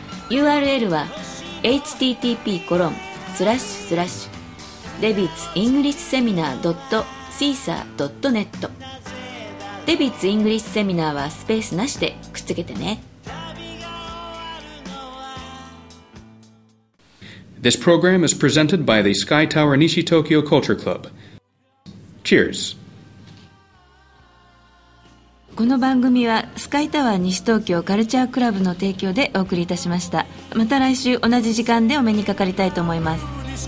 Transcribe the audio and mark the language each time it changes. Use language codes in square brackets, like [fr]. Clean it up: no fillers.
[ja] URL は http://debitsenglishseminar.caesar.net。デビッツイングリッシュセミナーはスペースなしでくっつけてね。 [en] This program is presented by the Sky Tower Nishi Tokyo Culture Club. Cheers. [ja] この番組はスカイタワー西東京カルチャークラブの提供でお送りいたしました。また来週同じ時間でお目にかかりたいと思います。